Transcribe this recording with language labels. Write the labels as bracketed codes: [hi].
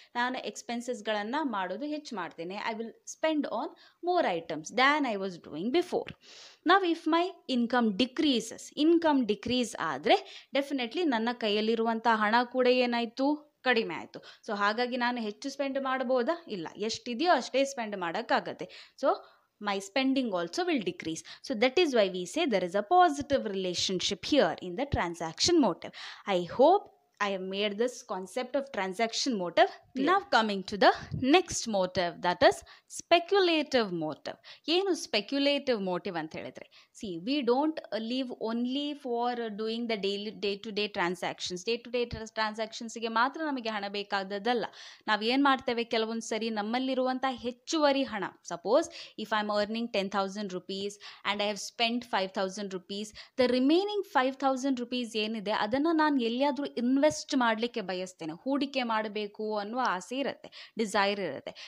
[kn] ನಾನು ಎಕ್ಸ್ಪೆನ್ಸಸ್ಗಳನ್ನು ಮಾಡೋದು ಹೆಚ್ಚು ಮಾಡ್ತೇನೆ, [en] I will spend on more items than I was doing before. [kn] ನಾವು [en] if my income decreases, [kn] income decrease ಆದರೆ ಡೆಫಿನೆಟ್ಲಿ ನನ್ನ ಕೈಯಲ್ಲಿರುವಂಥ ಹಣ ಕೂಡ ಏನಾಯಿತು, ಕಡಿಮೆ ಆಯಿತು. ಸೊ ಹಾಗಾಗಿ ನಾನು ಹೆಚ್ಚು ಸ್ಪೆಂಡ್ ಮಾಡ್ಬೋದಾ, ಇಲ್ಲ, ಎಷ್ಟಿದೆಯೋ ಅಷ್ಟೇ spend ಮಾಡೋಕ್ಕಾಗತ್ತೆ. [en] So my spending also will decrease. So that is why we say there is a positive relationship here in the transaction motive. I hope I have made this concept of transaction motive clear. Now coming to the next motive, that is speculative motive. [kn] ಏನು [en] speculative motive [kn] ಅಂತ ಹೇಳಿದ್ರೆ, [en] see, we don't live only for doing the daily day-to-day transactions. [kn] Day-to-day transactionsಗೆ ಮಾತ್ರ ನಮಗೆ ಹಣ ಬೇಕಾದದ್ದಲ್ಲ. ನಾವೇನು ಮಾಡ್ತೇವೆ, ಕೆಲವೊಂದು ಸರಿ ನಮ್ಮಲ್ಲಿರುವಂಥ ಹೆಚ್ಚುವರಿ ಹಣ, [en] suppose if I am earning 10,000 rupees and I have spend 5,000 rupees, [kn] the remaining 5,000 rupees ಏನಿದೆ ಅದನ್ನು ನಾನು ಎಲ್ಲಿಯಾದರೂ ಇನ್ವೆಸ್ಟ್ ಮಾಡಲಿಕ್ಕೆ ಬಯಸ್ತೇನೆ, ಹೂಡಿಕೆ ಮಾಡಬೇಕು ಅನ್ನುವ ಆಸೆ ಇರುತ್ತೆ, ಡಿಸೈರ್ ಇರುತ್ತೆ.